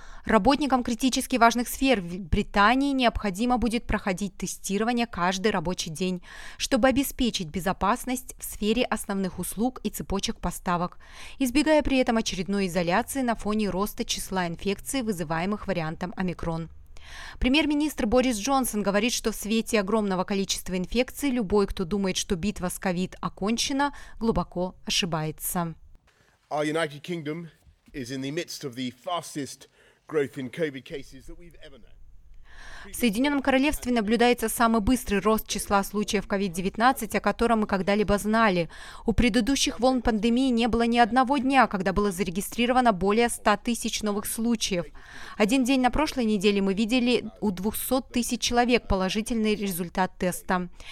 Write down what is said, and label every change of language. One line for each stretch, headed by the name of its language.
Russian: Работникам критически важных сфер в Британии необходимо будет проходить тестирование каждый рабочий день, чтобы обеспечить безопасность в сфере основных услуг и цепочек поставок, избегая при этом очередной изоляции на фоне роста числа инфекций, вызываемых вариантом омикрон. Премьер-министр Борис Джонсон говорит, что в свете огромного количества инфекций любой, кто думает, что битва с COVID окончена, глубоко ошибается.
English: Our United Kingdom is in the midst of the fastest growth in COVID cases that we've ever known.
Russian: В Соединенном Королевстве наблюдается самый быстрый рост числа случаев COVID-19, о котором мы когда-либо знали. У предыдущих волн пандемии не было ни одного дня, когда было зарегистрировано более 100 тысяч новых случаев. Один день на прошлой неделе мы видели у 200 тысяч человек положительный результат теста.